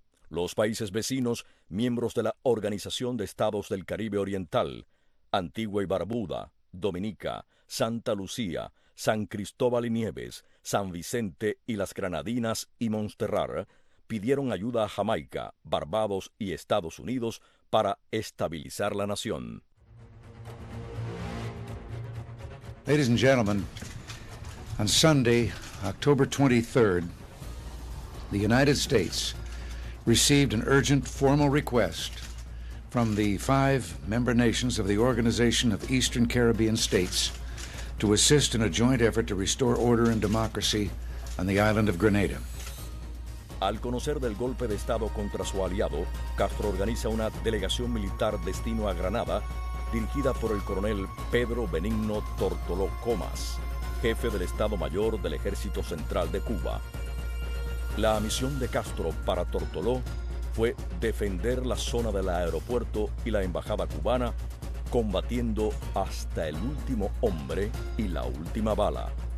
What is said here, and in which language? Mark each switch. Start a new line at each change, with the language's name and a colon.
Spanish: Los países vecinos, miembros de la Organización de Estados del Caribe Oriental, Antigua y Barbuda, Dominica, Santa Lucía, San Cristóbal y Nieves, San Vicente y las Granadinas y Monsterrar, pidieron ayuda a Jamaica, Barbados y Estados Unidos para estabilizar la nación.
English: Ladies and gentlemen, on Sunday, October 23rd, the United States received an urgent formal request from the five member nations of the Organization of Eastern Caribbean States to assist in a joint effort to restore order and democracy on the island of Grenada.
Spanish: Al conocer del golpe de Estado contra su aliado, Castro organiza una delegación militar destino a Granada, dirigida por el coronel Pedro Benigno Tortoló Comas, jefe del Estado Mayor del Ejército Central de Cuba. La misión de Castro para Tortoló fue defender la zona del aeropuerto y la embajada cubana, combatiendo hasta el último hombre y la última bala.